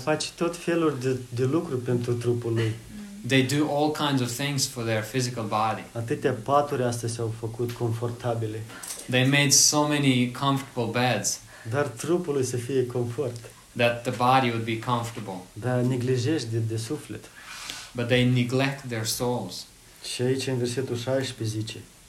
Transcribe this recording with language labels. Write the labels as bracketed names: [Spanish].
[Romanian] Face tot felul de lucru pentru trupul lui. [English] They do all kinds of things for their physical body. [Romanian] Atâtea paturi astea s-au făcut confortabile. [English] They made so many comfortable beds. [Romanian] Dar trupul lui să fie confort. [English] That the body would be comfortable. [Romanian] Dar neglijește de suflet. [English] But they neglect their souls. [Romanian] Și aici în versetul 16 zice.